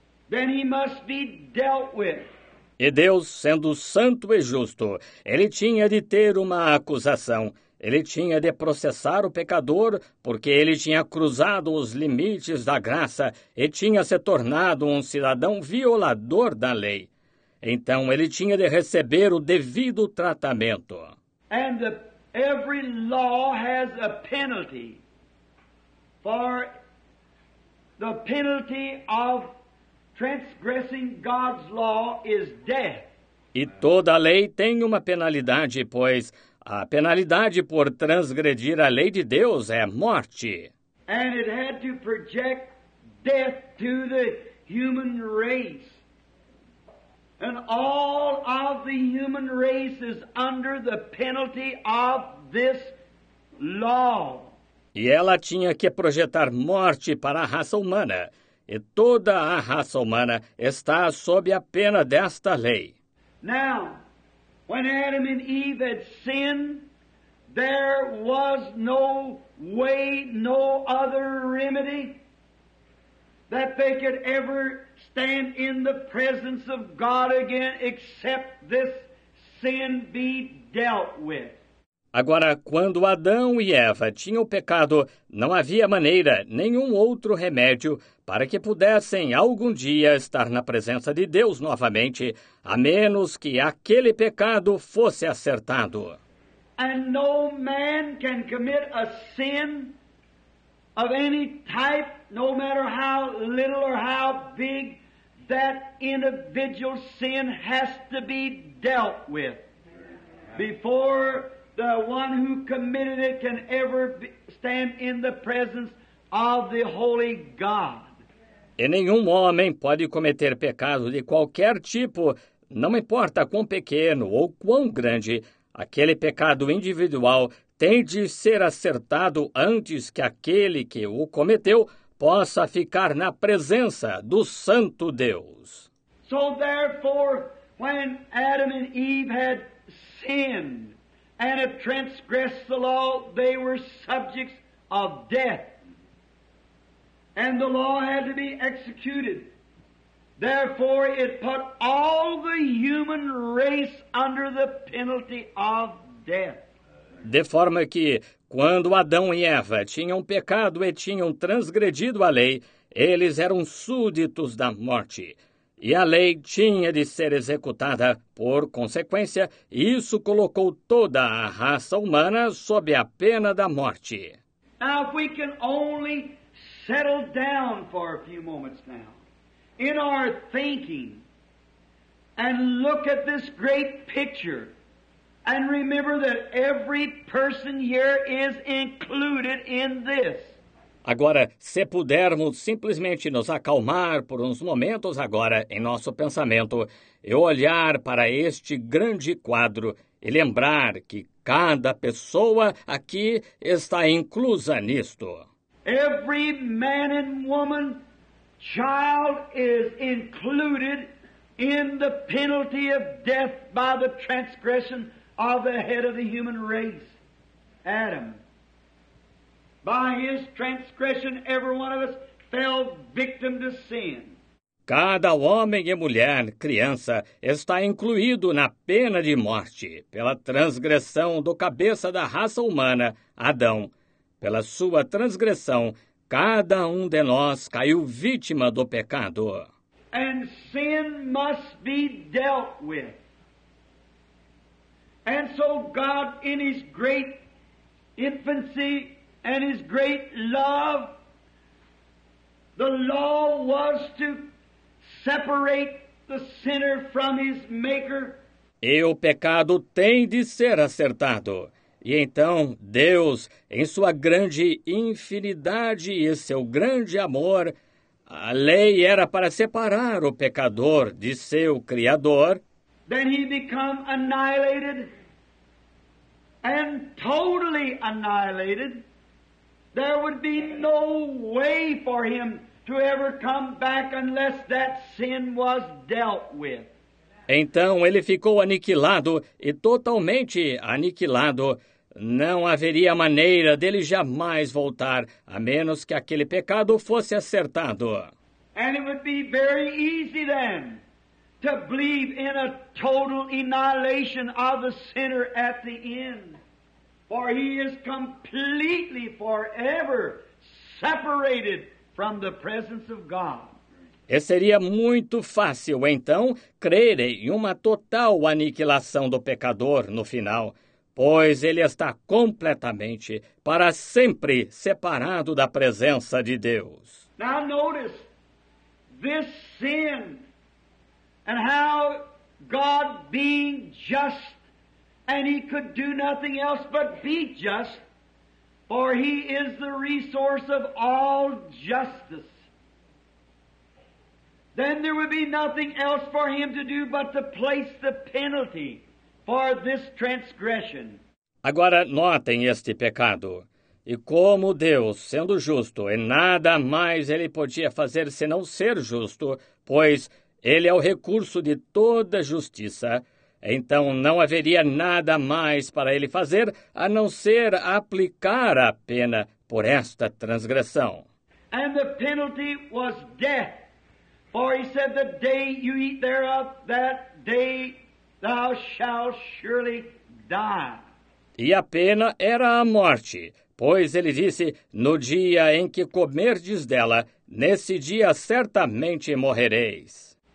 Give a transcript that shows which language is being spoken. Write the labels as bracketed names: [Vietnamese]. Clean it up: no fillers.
[English] Then he must be dealt with. [Portuguese] E Deus, sendo santo e justo, ele tinha de ter uma acusação. Ele tinha de processar o pecador porque ele tinha cruzado os limites da graça e tinha se tornado um cidadão violador da lei. Então ele tinha de receber o devido tratamento. [English] And every law has a penalty. For the penalty of transgressing God's law is death. [Portuguese] E toda lei tem uma penalidade, pois a penalidade por transgredir a lei de Deus é morte. [English] And it had to project death to the human race. And all of the human race is under the penalty of this law. [Portuguese] E ela tinha que projetar morte para a raça humana. E toda a raça humana está sob a pena desta lei. [English] Now, when Adam and Eve had sinned, there was no way, no other remedy that they could ever stand in the presence of God again except this sin be dealt with. [Portuguese] Agora, quando Adão e Eva tinham pecado, não havia maneira, nenhum outro remédio para que pudessem algum dia estar na presença de Deus novamente, a menos que aquele pecado fosse acertado. [English] And no man can commit a sin of any type, no matter how little or how big, that individual sin has to be dealt with before the one who committed it can ever stand in the presence of the holy God. [Portuguese] E nenhum homem pode cometer pecado de qualquer tipo, não importa quão pequeno ou quão grande, aquele pecado individual tem de ser acertado antes que aquele que o cometeu possa ficar na presença do Santo Deus. [English] So therefore, when Adam and Eve had sinned and had transgressed the law, they were subjects of death. And the law had to be executed. Therefore, it put all the human race under the penalty of death. [Portuguese] De forma que, quando Adão e Eva tinham pecado e tinham transgredido a lei, eles eram súditos da morte. E a lei tinha de ser executada. Por consequência, isso colocou toda a raça humana sob a pena da morte. [English] Now, if we can only settle down for a few moments now in our thinking and look at this great picture and remember that every person here is included in this. [Portuguese] Agora, se pudermos simplesmente nos acalmar por uns momentos agora em nosso pensamento e olhar para este grande quadro e lembrar que cada pessoa aqui está inclusa nisto. [English] Every man and woman, child is included in the penalty of death by the transgression of the head of the human race, Adam. By his transgression, every one of us fell victim to sin. [Portuguese] Cada homem e mulher, criança, está incluído na pena de morte pela transgressão do cabeça da raça humana, Adão. Pela sua transgressão, cada um de nós caiu vítima do pecado. [English] And sin must be dealt with. And so God, in his great infancy and his great love, the law was to separate the sinner from his maker. [Portuguese] E o pecado tem de ser acertado. E então, Deus, em sua grande infinidade e seu grande amor, a lei era para separar o pecador de seu Criador. [English] Then he became annihilated and totally annihilated. There would be no way for him to ever come back unless that sin was dealt with. [Portuguese] Então ele ficou aniquilado e totalmente aniquilado. Não haveria maneira dele jamais voltar, a menos que aquele pecado fosse acertado. [English] And it would be very easy then to believe in a total annihilation of the sinner at the end. For he is completely forever separated from the presence of God. [Portuguese] E seria muito fácil, então, crer em uma total aniquilação do pecador no final, pois ele está completamente, para sempre, separado da presença de Deus. [English] Now notice this sin and how God being just, and he could do nothing else but be just, for he is the resource of all justice. Then there would be nothing else for him to do but to place the penalty for this transgression. [Portuguese] Agora notem este pecado. E como Deus, sendo justo, e nada mais ele podia fazer senão ser justo, pois ele é o recurso de toda justiça, então não haveria nada mais para ele fazer a não ser aplicar a pena por esta transgressão. [English] And the penalty was death. For he said, the day you eat thereof, that day thou shalt surely die. [Portuguese] E a pena era a morte, pois ele disse, no dia em que comerdes dela, nesse dia certamente morrereis.